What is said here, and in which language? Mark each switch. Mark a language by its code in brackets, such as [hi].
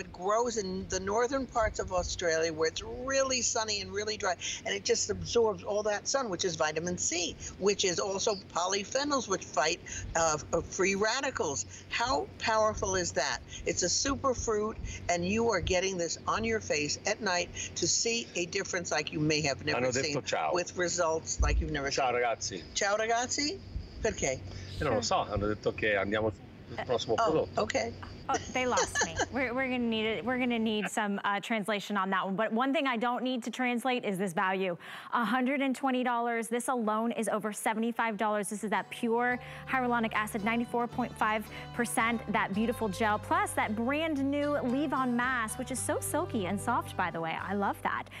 [en] It grows in the northern parts of Australia where it's really sunny and really dry, and it just absorbs all that sun, which is vitamin C, which is also polyphenols, which fight free radicals. How powerful is that? It's a super fruit, and you are getting this on your face at night to see a difference like you may have never seen, with results like you've never seen. [it] Ragazzi. Ciao, ragazzi. Perché? Io non lo so, hanno detto che andiamo sul prossimo prodotto. Okay. [en] Oh, they lost me. We're gonna need some translation on that one. But one thing I don't need to translate is this value. $120. This alone is over $75. This is that pure hyaluronic acid, 94.5%, that beautiful gel, plus that brand new leave-on mask, which is so silky and soft, by the way. I love that.